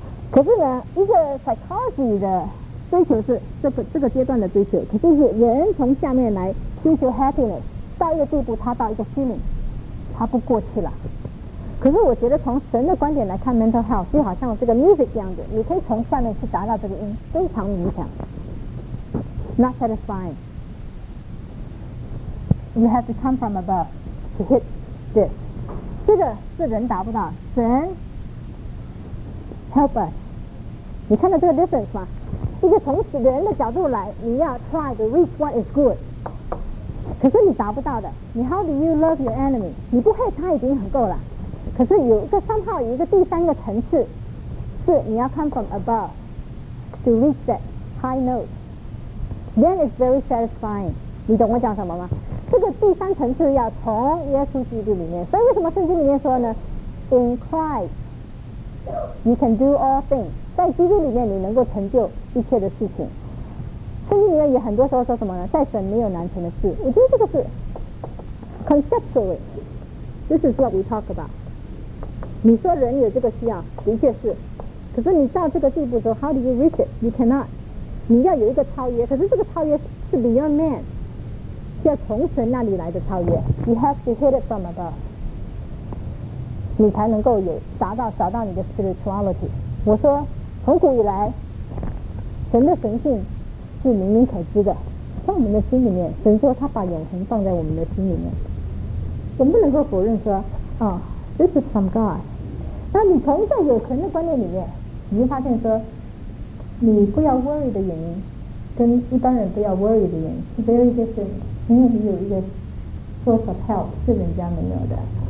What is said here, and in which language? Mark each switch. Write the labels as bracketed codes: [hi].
[zh] 可是呢，一个 psychology 的追求是这个阶段的追求，可就是人从下面来追求 happiness。到一个地步，他到一个 feeling， 他不过去了。可是我觉得从神的观点来看 mental health 就好像这个 music 这样子，你可以从下面去达到这个音，非常理想。 [en] Not satisfying， You have to come from above to hit this。 [zh] 这个是人达不到，神 help us。你看到这个 difference 吗？一个从人的角度来，你要 [en] try to reach what is good， [zh] 可是你达不到的。你 [en] how do you love your enemy？ [zh] 你不恨他已经很够了，可是有一个三号，有一个第三个层次，是你要 [en] come from above to reach that high note， then it's very satisfying。 [zh] 你懂我讲什么吗？这个第三层次要从耶稣基督里面。所以为什么圣经里面说呢， [en] in Christ you can do all things， [zh] 在基督里面你能够成就一切的事情。圣经里面也很多时候说什么呢，在神没有难成的事。我觉得这个是 [en] conceptually this is what we talk about。 [zh] 你说人有这个需要的确是，可是你到这个地步的时候 [en] how do you reach it？ You cannot。 [zh] 你要有一个超越，可是这个超越是 [en] beyond man， [zh] 是要从神那里来的超越。 [en] You have to hit it from above， [zh] 你才能够有找到你的 [en] spirituality。 [zh] 我说从古以来神的神性是明明可知的，在我们的心里面，神说他把永恒放在我们的心里面，我们不能够否认说啊、哦、 [en] This is from God。 [zh] 那你从在有神的观念里面，你会发现说你不要 worry 的原因跟一般人不要 worry 的原因是 [en] very different， [zh] 因为你有一个 [en] source of help [zh] 是人家没有的。